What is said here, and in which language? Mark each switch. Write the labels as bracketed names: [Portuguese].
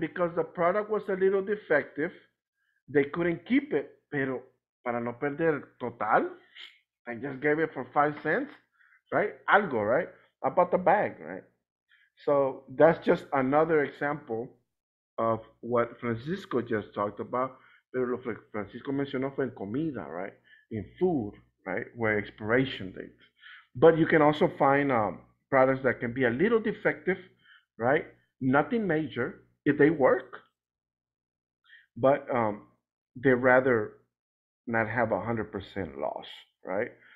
[English] Because the product was a little defective, they couldn't keep it. Pero para no perder total, I just gave it for 5 cents, right? Algo, right? I bought the bag, right? So that's just another example of what Francisco just talked about. [Spanish] Pero lo que Francisco mencionó fue en comida, right? [English] In food, right? Where expiration dates. But you can also find products that can be a little defective, right? Nothing major, if they work. But they'd rather not have 100% loss, right?